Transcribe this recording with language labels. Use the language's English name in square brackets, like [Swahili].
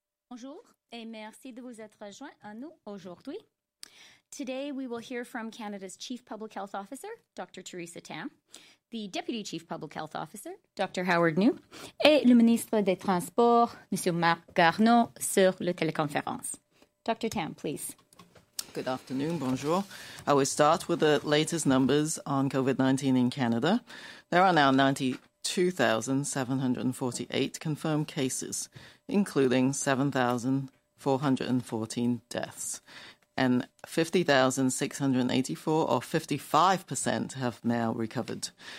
[French] Bonjour et merci de vous être joint à nous aujourd'hui. [English] Today we will hear from Canada's Chief Public Health Officer, Dr. Theresa Tam, the Deputy Chief Public Health Officer, Dr. [French] Howard New, et le ministre des Transports, Monsieur Marc Garneau, sur la téléconférence. [English] Dr. Tam, please. Good afternoon. [French] Bonjour. [English] I will start with the latest numbers on COVID-19 in Canada. There are now 92,748 confirmed cases, including 7,414 deaths. And 50,684, or 55%, have now recovered.